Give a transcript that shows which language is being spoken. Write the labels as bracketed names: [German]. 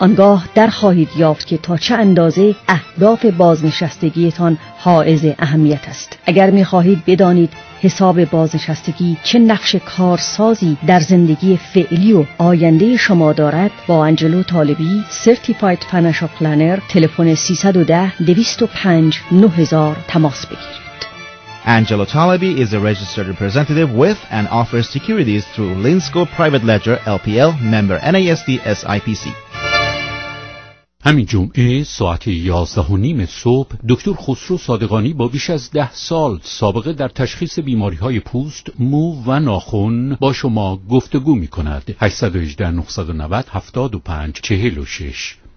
[Persian] آنگاه در خواهید یافت که تا چه اندازه اهداف بازنشستگیتان حائز اهمیت است. اگر می‌خواهید بدانید حساب بازنشستگی چه نقش کارسازی در زندگی فعلی و آینده شما دارد، با انجلو طالبی سرتیفاید فینانشل پلنر تلفن 310-205-9000 تماس بگیرید. [English] Angelo Talebi is a registered representative with and offers securities through Linsco Private Ledger LPL member NASD SIPC. [Persian] همین جمعه ساعت 11:30 صبح دکتر خسرو صادقانی با بیش از 10 سال سابقه در تشخیص بیماری‌های پوست، مو و ناخن با شما گفتگو می‌کند. 818 990 7546.